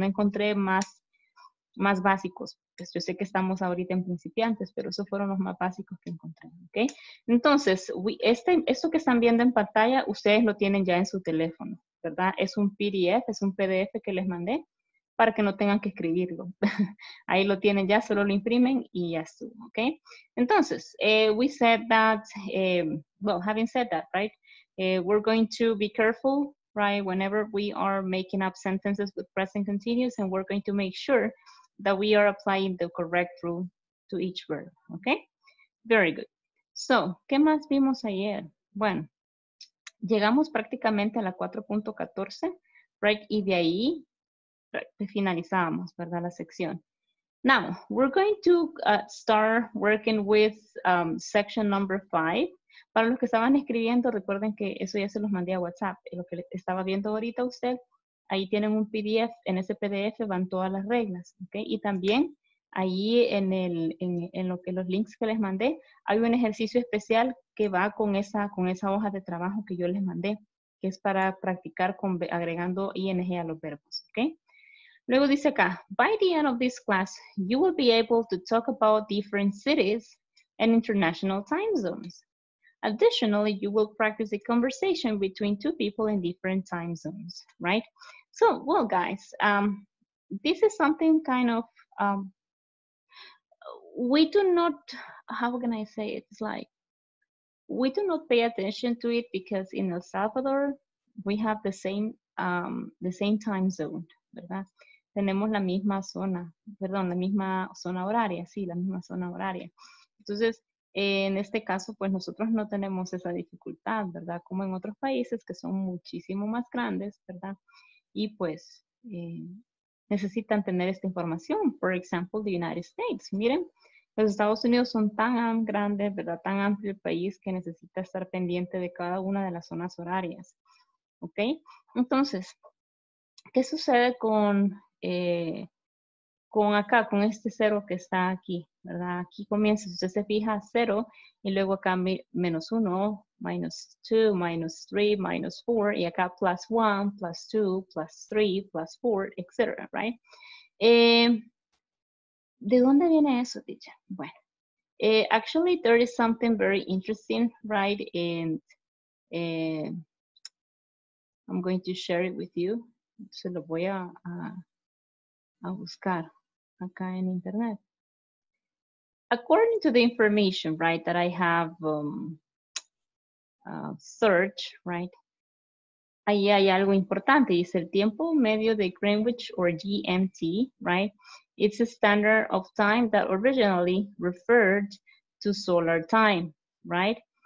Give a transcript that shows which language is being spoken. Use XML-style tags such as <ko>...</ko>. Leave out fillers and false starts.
<es>No encontré más básicos. Pues yo sé que estamos ahorita en principiantes, pero esos fueron los más básicos que encontré. ¿Okay? Entonces, esto que están viendo en pantalla, ustedes lo tienen ya en su teléfono, ¿verdad? Es un PDF, es un PDF que les mandé para que no tengan que escribirlo. Ahí lo tienen ya, solo lo imprimen y ya estuvo, ¿ok?</es> <en>Entonces, we said that, well, having said that, right? We're going to be careful, right? Whenever we are making up sentences with present continuous, and we're going to make sure that we are applying the correct rule to each verb, ¿ok? Very good.</en> <es>So, ¿qué más vimos ayer? Bueno, llegamos prácticamente a la 4.14, right? Y de ahí finalizamos, ¿verdad? La sección.</es> <en>Now, we're going to start working with section number 5.</en> <es>Para los que estaban escribiendo, recuerden que eso ya se los mandé a WhatsApp. Lo que estaba viendo ahorita usted, ahí tienen un PDF. En ese PDF van todas las reglas, ¿ok? Y también ahí en los links que les mandé, hay un ejercicio especial que va con esa hoja de trabajo que yo les mandé, que es para practicar con, agregando ing a los verbos, ¿ok? Luego dice acá,</es> <en>by the end of this class, you will be able to talk about different cities and international time zones. Additionally, you will practice a conversation between two people in different time zones, right? So, well, guys, this is something kind of, we do not, how can I say it? It's like, we do not pay attention to it because in El Salvador, we have the same time zone, ¿verdad?</en> <es>Tenemos la misma zona, perdón, la misma zona horaria, sí, la misma zona horaria. Entonces, en este caso, pues nosotros no tenemos esa dificultad, ¿verdad? Como en otros países que son muchísimo más grandes, ¿verdad? Y pues, necesitan tener esta información.</es> <en>For example, the United States.</en> <es>Miren, los Estados Unidos son tan grandes, ¿verdad? Tan amplio el país que necesita estar pendiente de cada una de las zonas horarias. ¿Ok? Entonces, ¿qué sucede con este cero que está aquí, ¿verdad? Aquí comienza, si usted se fija, cero, y luego acá menos uno,</es> <en>minus two, minus three, minus four, y acá plus one, plus two, plus three, plus four, etc., right?</en> <es>¿De dónde viene eso, Dicha?</es> <en>Bueno, actually, there is something very interesting, right? And I'm going to share it with you.</en> <es>Se lo voy a buscar acá en internet.</es> <en>According to the information, right, that I have searched, right,</en> <es>ahí hay algo importante. Dice el tiempo medio de Greenwich or GMT, right?</es> <en>It's a standard of time that originally referred to solar time, right?</en>